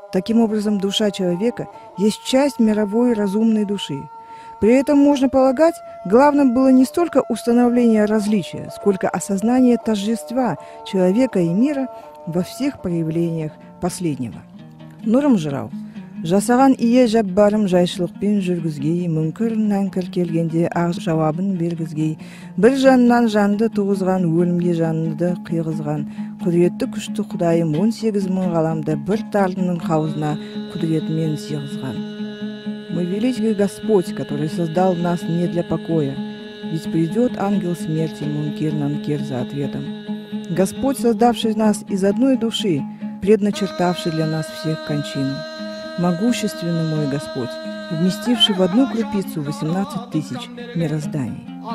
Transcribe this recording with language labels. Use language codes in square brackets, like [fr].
[ru] Таким образом, душа человека есть часть мировой разумной души. При этом, можно полагать, главным было не столько установление различия, сколько осознание тождества человека и мира во всех проявлениях последнего. [kk] Нурым жырау. Жасаған ие жаббарым жайшылықпен жүргізгей, мүмкір нәңкір келгенде ақ жауабын бергізгей, бір жаннан жанды туғызған, өлімге жанды қиғызған, құдіретті күшті құдайым 18 мың ғаламды бір тарының қауызына құдіретімен сиғызған. [ru] Мы великий Господь, который создал нас не для покоя, ведь придет ангел смерти Мункир Нанкир за ответом. Господь, создавший нас из одной души, предначертавший для нас всех кончину. Могущественный мой Господь, вместивший в одну крупицу 18 тысяч мирозданий.